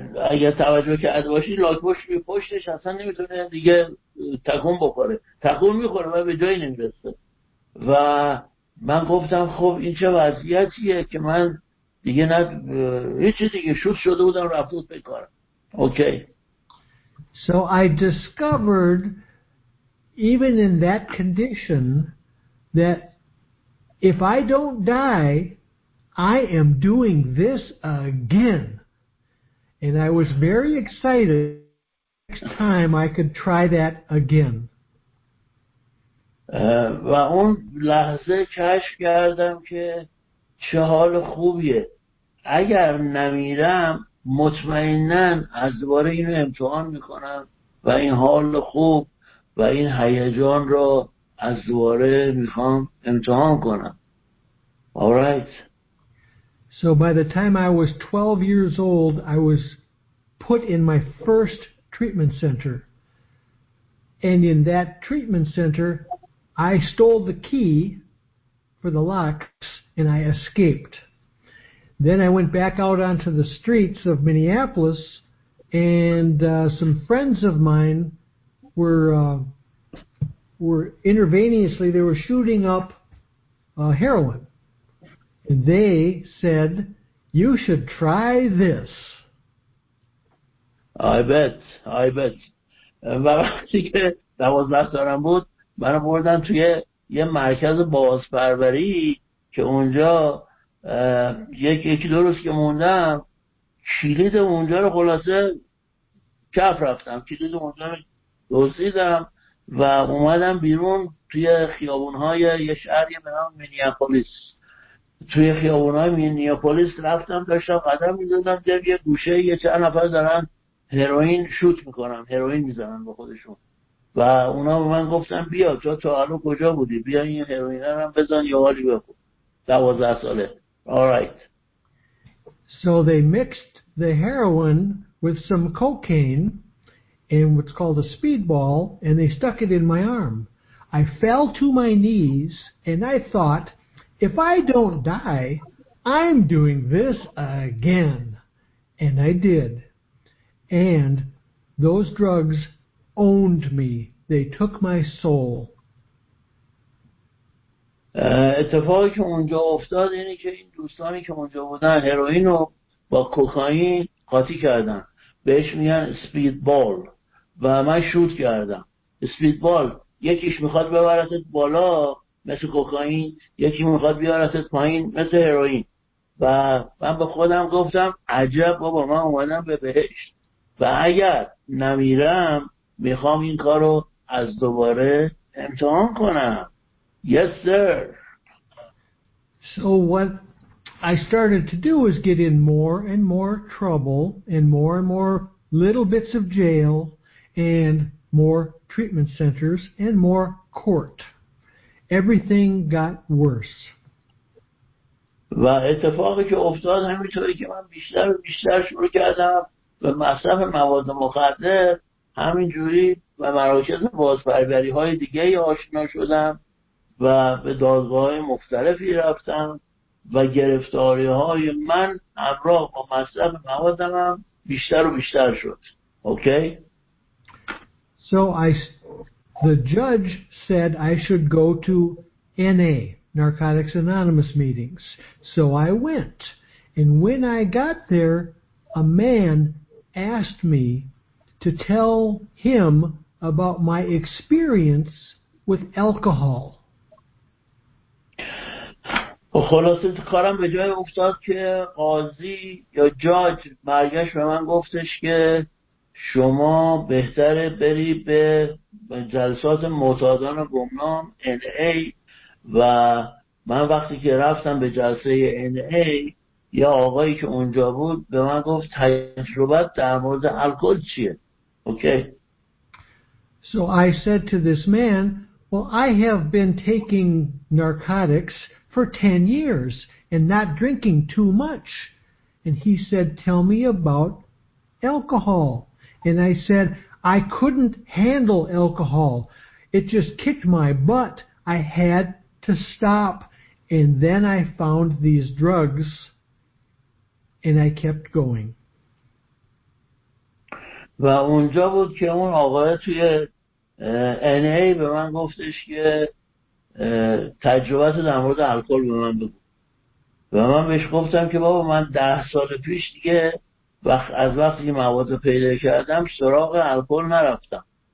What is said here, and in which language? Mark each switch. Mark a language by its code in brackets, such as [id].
[fa] اگه توجه کرده باشی لاک‌پشت روی پشتش اصلا نمیتونه دیگه تکون بخوره، تکون میخوره و به جایی نمیرسه. و من گفتم خب این چه وضعیتیه که من دیگه نه هیچی دیگه شوت شده بودم رفته بود بکارم. اوکی. [en] So I discovered even in that condition that if I don't die I am doing this again. And I was very excited next time I could try that again. [fa] و اون لحظه کشف کردم که چه حال خوبیه. اگر نمیرم مطمئنن از دوباره اینو امتحان میکنم و این حال خوب و این هیجان را از دوباره میخوام امتحان کنم. Alright. [en] So by the time I was 12 years old, I was put in my first treatment center. And in that treatment center, I stole the key for the locks and I escaped. Then I went back out onto the streets of Minneapolis and some friends of mine were intravenously, they were shooting up heroin. And they said, you should try this. I bet. [fa] و وقتی که 12 سالم بود من بردن توی یه مرکز بازپروری که اونجا یکی دو روز که موندم کلید اونجا رو خلاصه کف رفتم، کلید اونجا رو دزدیدم و اومدم بیرون توی خیابونهای یه شهر به نام مینیاپولیس. توی خیابونهای مینیاپولیس رفتم داشتم قدم میزدم در یه گوشه یه چند نفر دارن هروئین شوت میکنن، هروئین میزنن به خودشون و اونا به من گفتن بیا تو تا الان کجا بودی بیا این هروئین رو بزن یه حالی بکن. 12 ساله. [en] Alright. So they mixed the heroin with some cocaine in what's called a speedball and they stuck it in my arm. I fell to my knees and I thought, if I don't die, I'm doing this again. And I did. And those drugs owned me. They took my soul. [fa] اتفاقی که اونجا افتاد اینه که این دوستانی که اونجا بودن هروئین رو با کوکائین قاطی کردن، بهش میگن سپید بال و من شوت کردم. سپید بال یکیش میخواد ببرتت بالا مثل کوکائین، یکی میخواد بیارتت پایین مثل هروئین. و من به خودم گفتم عجب بابا، من اومدم به بهشت و اگر نمیرم میخوام این کار رو از دوباره امتحان کنم. [en] Yes, sir. So what I started to do was get in more and more trouble and more little bits of jail and more treatment centers and more court. Everything got worse. [fa] و اتفاقی که افتاد همینطوری که من بیشتر و بیشتر شروع کردم به مصرف مواد مخدر، همینجوری و مراکز بازپروری های دیگه آشنا شدم و به دادگاه‌های مختلفی رفتم و گرفتاری‌های من همراه با مصرف موادم هم بیشتر و بیشتر شد. اوکی. [en] So the judge said I should go to NA, Narcotics Anonymous meetings. So I went. And when I got there, a man asked me to tell him about my experience with alcohol. [fa] خلاصه کارم به جای افتاد که قاضی یا جاج برگشت به من گفتش که شما بهتره بری به جلسات معتادان گمنام NA. و من وقتی که رفتم به جلسه NA یا آقایی که اونجا بود به من گفت تجربت در مورد الکل چیه. اوکی. [en] So I said to this man, well, I have been taking narcotics for 10 years and not drinking too much. And he said, tell me about alcohol. And I said, I couldn't handle alcohol. It just kicked my butt. I had to stop. And then I found these drugs and I kept going. [fa] و اونجا بود که اون آقای توی NA به من گفتش که تجربه در مورد الکل به من بگو. و من بهش گفتم که بابا من 10 سال پیش دیگه از وقتی مواد پیدا کردم سراغ الکل نرفتم.